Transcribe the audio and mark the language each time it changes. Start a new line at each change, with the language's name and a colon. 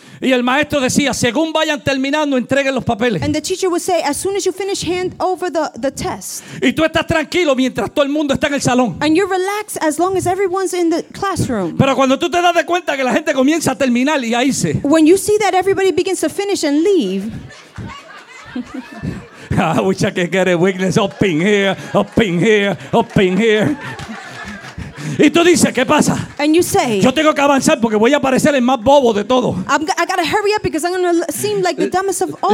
Spanish: Y el maestro decía, según vayan terminando, entreguen los papeles.
English: And the teacher would say, as soon as you finish, hand over the test.
Spanish: Y tú estás tranquilo mientras todo el mundo está en el salón.
English: And you're relaxed as long as everyone's in the classroom.
Spanish: Pero cuando tú te das de cuenta que la gente comienza a terminar y a irse.
English: When you see that everybody begins to finish and leave. I wish I could get a witness up in here, up in here, up in here.
Spanish: Y tú dices, ¿qué pasa?
English: And you say,
Spanish: yo tengo que avanzar porque voy a parecer el más bobo de todo.
English: I gotta hurry up because I'm gonna seem like the dumbest of all.